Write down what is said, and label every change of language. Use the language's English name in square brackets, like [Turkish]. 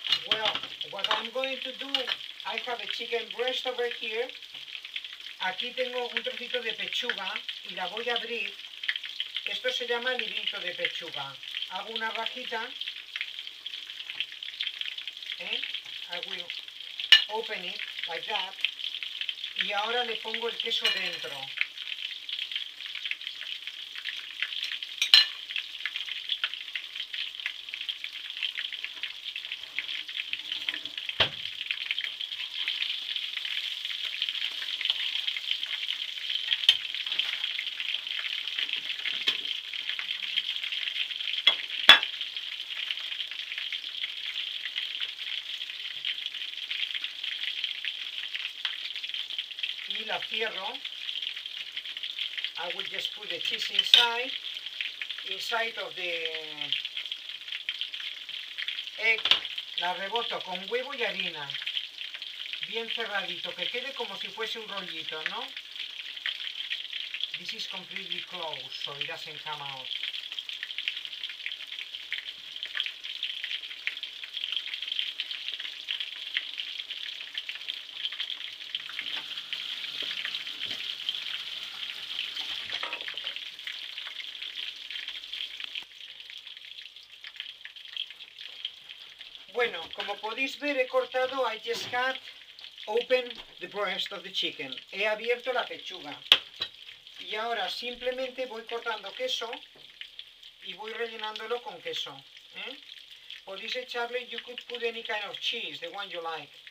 [English] Well, what I'm going to do, I have a chicken breast over here. [Spanish] Aquí tengo un trocito de pechuga y la voy a abrir. Esto se llama librito de pechuga. Hago una rajita, ¿eh? [English] I will open it like that, [Spanish] y ahora le pongo el queso dentro. La cierro. [English] I will just put the cheese inside of the egg. [Spanish] La reboto con huevo y harina, bien cerradito, que quede como si fuese un rollito, ¿no? [English] This is completely closed, so it doesn't come out. [Spanish] Bueno, como podéis ver, he cortado, [English] I just had open the breast of the chicken. [Spanish] He abierto la pechuga. Y ahora simplemente voy cortando queso y voy rellenándolo con queso. Podéis echarle, [English] you could put any kind of cheese, the one you like.